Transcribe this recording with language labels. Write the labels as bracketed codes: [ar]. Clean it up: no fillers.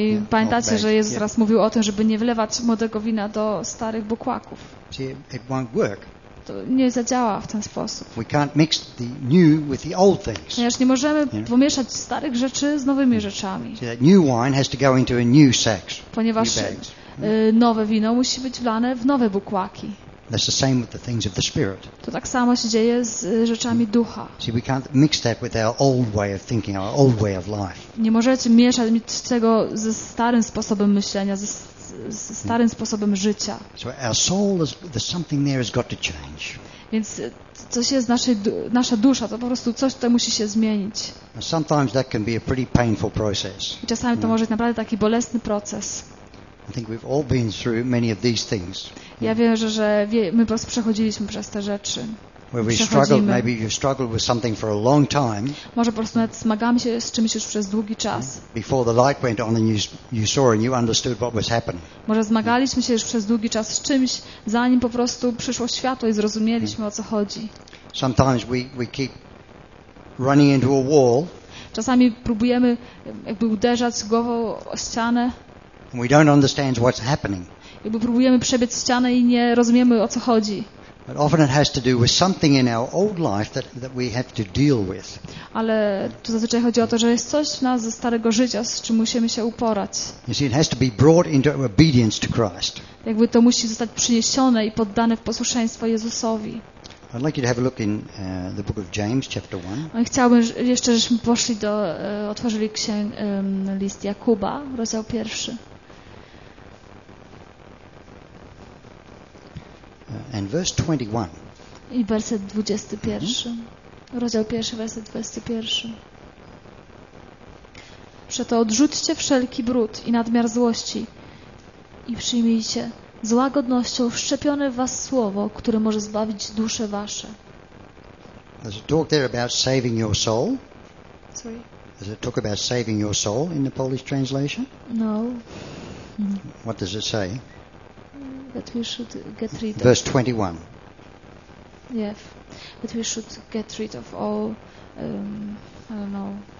[pl] Pamiętacie, że Jezus raz mówił o tym, żeby nie wlewać młodego wina do starych bukłaków. [en] See, it won't work. [pl] To nie zadziała w ten sposób. [en] We can't mix the new with the old things. [pl] Ponieważ nie możemy pomieszać starych rzeczy z nowymi rzeczami. [en] See, that new wine has to go into a new sacks. [pl] Ponieważ nowe wino musi być wlane w nowe bukłaki. [en] That's the same with the things of the spirit. [pl] To tak samo się dzieje z rzeczami ducha. [en] See, we can't mix that with our old way of thinking, our old way of life. [pl] Nie możecie mieszać tego ze starym sposobem myślenia, ze starym sposobem życia. [en] So our soul is, there's something there has got to change. [pl] Więc coś jest nasza dusza, to po prostu coś tutaj musi się zmienić. [en] And sometimes that can be a pretty painful process. [pl] I czasami to może być naprawdę taki bolesny proces. [en] I think we've all been through many of these things. [pl] Ja wiem, że my po prostu przechodziliśmy przez te rzeczy. [en] Where we struggled, maybe you've struggled with something for a long time. [pl] Może po prostu nawet zmagamy się z czymś już przez długi czas. [en] Before the light went on and you saw and you understood what was happening. [pl] Może zmagaliśmy się już przez długi czas z czymś, zanim po prostu przyszło światło i zrozumieliśmy, o co chodzi. [en] Sometimes we keep running into a wall. [pl] Czasami próbujemy jakby uderzać głową o ścianę. [en] And we don't understand what's happening. [pl] Jakby próbujemy przebiec ścianę i nie rozumiemy, o co chodzi. [en] But often it has to do with something in our old life that we have to deal with. [pl] Ale tu zazwyczaj chodzi o to, że jest coś w nas ze starego życia, z czym musimy się uporać. [en] You see, it has to be brought into obedience to Christ. [pl] Jakby to musi zostać przyniesione i poddane w posłuszeństwo Jezusowi. [en] I'd like you to have a look in the book of James, chapter 1. [pl] Chciałbym jeszcze, żebyśmy poszli do otworzyli list Jakuba, rozdział 1. [en] And verse 21. [pl] I werset 21. Mm-hmm. Rozdział 1, werset 21. Przeto odrzućcie wszelki brud i nadmiar złości i przyjmijcie z łagodnością wszczepione w was słowo, które może zbawić dusze wasze. [en] Does it talk there about saving your soul? Sorry. Does it talk about saving your soul in the Polish translation? No. Mm-hmm. What does it say? That we should get rid of. Verse 21. Yeah. That we should get rid of all, I don't know.